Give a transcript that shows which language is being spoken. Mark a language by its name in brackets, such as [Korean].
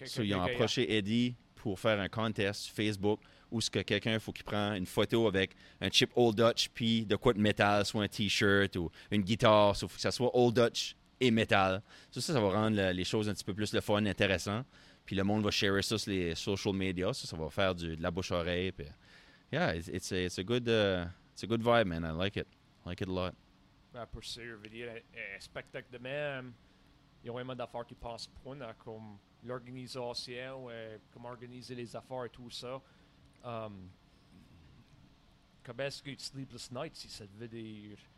[English] so, [French] ils ont approché Eddie pour faire un contest sur Facebook où ce que quelqu'un faut qu'il prenne une photo avec un chip Old Dutch, puis de quoi de métal, soit un T-shirt ou une guitare. Il faut que ça soit Old Dutch et métal. Ça va rendre les choses un petit peu plus le fun, intéressant. Puis le monde va share ça sur les social media. Ça va faire de la bouche à oreille. Puis, [English] yeah, it's a good vibe, man. I like it. I like it a lot. [French] Ben, pour ça, je veux dire, spectacle de même. Il y a vraiment d'affaires qui passent pour nous, comme l'organisation, comme organiser les affaires et tout ça. Comment est-ce que tu [English] sleepless nights, [French] si ça veut dire?